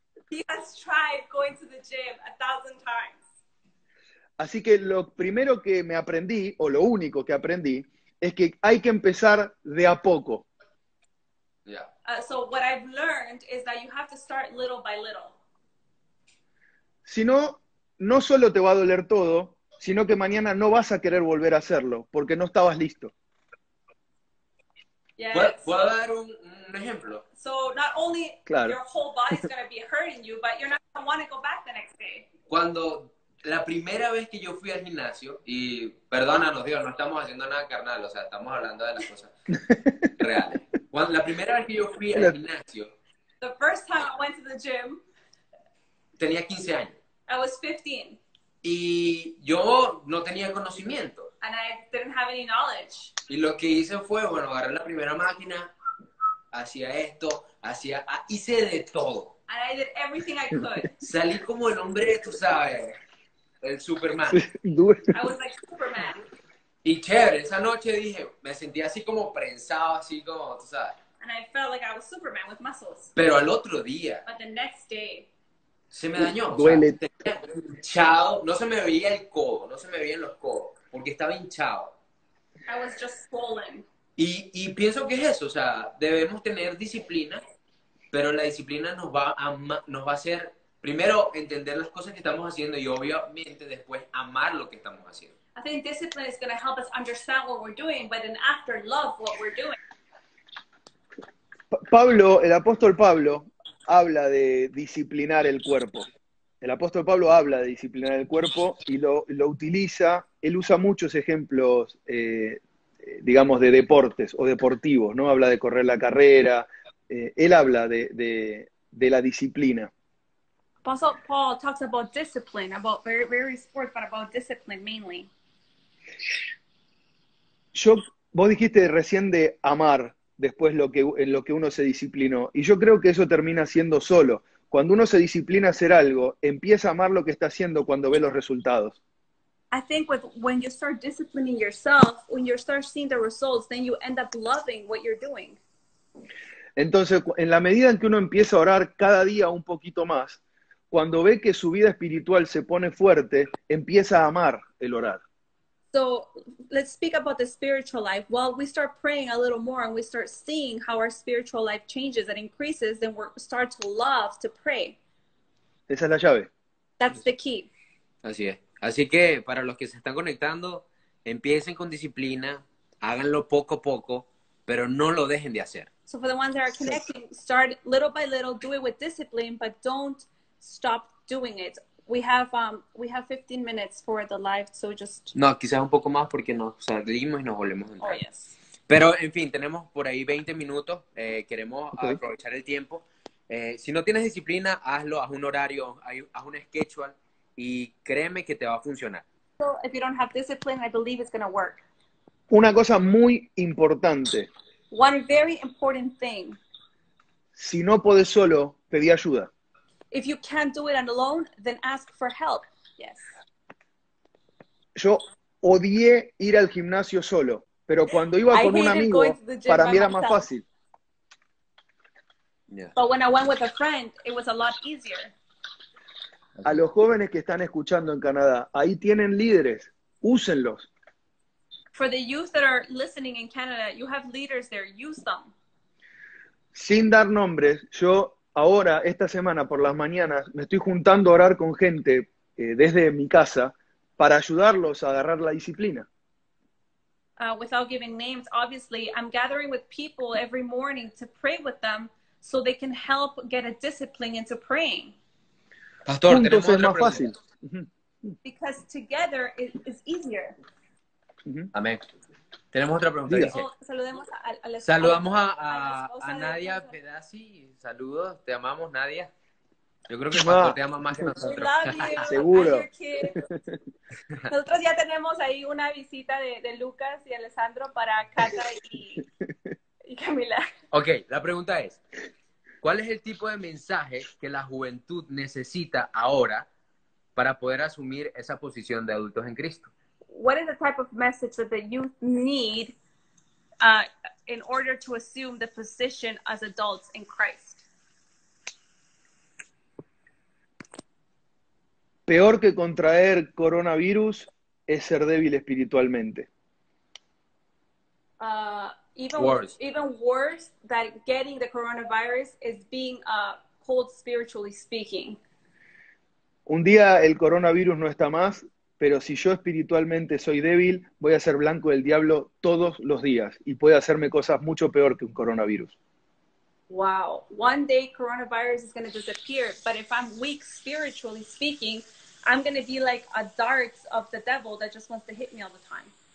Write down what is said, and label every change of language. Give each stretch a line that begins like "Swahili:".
English: He has tried going to the gym 1000 times.
Spanish: Así que lo primero que me aprendí, o lo único que aprendí, es que hay que empezar de a poco.
English: So what I've learned is that you have to start little by little.
Spanish: Si no, no solo te va a doler todo, sino que mañana no vas a querer volver a hacerlo, porque no estabas listo.
English: Yes.
Spanish: ¿Puedo dar un ejemplo?
English: So, not only claro. Your whole body is going to be hurting you, but you're not going to want to go back the next day.
Spanish: Cuando la primera vez que yo fui al gimnasio, y perdónanos Dios, no estamos haciendo nada carnal, o sea, estamos hablando de las cosas reales. Cuando, la primera vez que yo fui al gimnasio,
English: the first time I went to the gym,
Spanish: tenía 15 años.
English: I was 15.
Spanish: Y yo no tenía conocimiento.
English: And I didn't have any knowledge.
Spanish: Y lo que hice fue, bueno, agarré la primera máquina, hacía esto, hacía, hice de todo.
English: And I did everything I could.
Spanish: Salí como el hombre, tú sabes, el Superman.
English: I was like Superman.
Spanish: Y chévere, esa noche dije, me sentí así como prensado, así como, tú sabes.
English: And I felt like I was Superman with muscles.
Spanish: Pero al otro día.
English: But the next day.
Spanish: Se me dañó. Duele. O sea, hinchado. No se me veía el codo. No se me veían los codos. Porque estaba hinchado.
English: I was just swollen.
Spanish: Y pienso que es eso. O sea, debemos tener disciplina. Pero la disciplina nos va a hacer, primero, entender las cosas que estamos haciendo. Y obviamente, después, amar lo que estamos haciendo.
English: I think discipline is going to help us understand what we're doing. But then after, love what we're doing.
Spanish: Pablo, el apóstol Pablo, habla de disciplinar el cuerpo. El apóstol Pablo habla de disciplinar el cuerpo y lo utiliza, él usa muchos ejemplos, digamos, de deportes o deportivos, ¿no? Habla de correr la carrera, él habla de la disciplina.
English: Apostle Paul talks about discipline, about various sports, but about discipline mainly.
Spanish: Vos dijiste recién de amar. Después en lo que uno se disciplinó. Y yo creo que eso termina siendo solo. Cuando uno se disciplina a hacer algo, empieza a amar lo que está haciendo cuando ve los resultados.
English: I think when you start disciplining yourself, when you start seeing the results, then you end up loving what you're doing.
Spanish: Entonces, en la medida en que uno empieza a orar cada día un poquito más, cuando ve que su vida espiritual se pone fuerte, empieza a amar el orar.
English: So let's speak about the spiritual life. Well, we start praying a little more and we start seeing how our spiritual life changes and increases, then we start to love to pray.
Spanish: Esa es la llave.
English: That's the key.
Spanish: Así es. Así que para los que se están conectando, empiecen con disciplina, háganlo poco a poco, pero no lo dejen de hacer.
English: So for the ones that are connecting, start little by little, do it with discipline, but don't stop doing it. We have 15 minutes for the live, so just...
Spanish: No, quizás un poco más porque nos salimos y nos volvemos a entrar.
English: Oh, yes.
Spanish: Pero, en fin, tenemos por ahí 20 minutos. Queremos aprovechar el tiempo. Si no tienes disciplina, hazlo, haz un horario, haz un schedule y créeme que te va a funcionar.
English: So, if you don't have discipline, I believe it's going to work.
Spanish: Una cosa muy importante.
English: One very important thing.
Spanish: Si no puedes solo, pedí ayuda.
English: If you can't do it alone, then ask for help. Yes.
Spanish: Yo odié ir al gimnasio solo, pero cuando iba con un amigo, para mí era más fácil.
English: Yeah. But when I went with a friend, it was a lot easier.
Spanish: A los jóvenes que están escuchando en Canadá, ahí tienen líderes, úsenlos.
English: For the youth that are listening in Canada, you have leaders there, use them.
Spanish: Sin dar nombres, yo ahora, esta semana, por las mañanas, me estoy juntando a orar con gente desde mi casa para ayudarlos a agarrar la disciplina.
English: Without giving names, obviously, I'm gathering with people every morning to pray with them so they can help get a discipline into praying.
Spanish: Pastor, juntos tenemos es más fácil.
English: Because together it's easier.
Spanish: Uh-huh. Amén. Tenemos otra pregunta. Dice, saludamos a Nadia Pedazzi. Saludos, te amamos, Nadia. Yo creo que el pastor te ama más que nosotros. Seguro. Nosotros ya tenemos ahí una visita de Lucas y Alessandro para Cata y Camila. Ok, la pregunta es, ¿cuál es el tipo de mensaje que la juventud necesita ahora para poder asumir esa posición de adultos en Cristo?
English: What is the type of message that the youth need in order to assume the position as adults in Christ?
Spanish: Peor que contraer coronavirus es ser débil espiritualmente.
English: Even worse than getting the coronavirus is being cold spiritually speaking.
Spanish: Un día el coronavirus no está más. Pero si yo espiritualmente soy débil, voy a ser blanco del diablo todos los días y puede hacerme cosas mucho peor que un coronavirus.
English: Wow. One day coronavirus is going to disappear, but if I'm weak spiritually speaking, I'm going to be like a dart of the devil that just wants to hit me all the time.